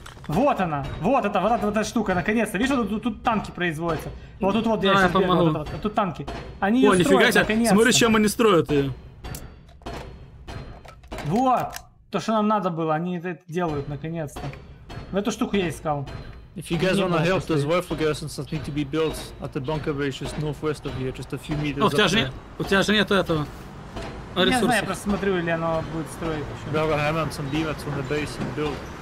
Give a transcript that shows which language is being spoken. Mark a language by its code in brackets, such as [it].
[ru] Вот она, вот эта, вот эта штука, наконец-то. Видишь, вот тут, тут танки производятся. Вот тут вот, а, я сейчас беру, вот, вот тут танки. Они ее строят, нифига себе, наконец-то. Смотри, чем они строят ее. Вот, то, что нам надо было, они это делают, наконец-то. В эту штуку я искал. [en] If you guys wanna help, there's Werfelgers and something to be built at the bunker base just northwest of here, just a few meters up there. [ru] У тебя же нет этого. Я не знаю, я просто смотрю, или оно будет строить. [en] Grab a hammer and some beamers from the base and build.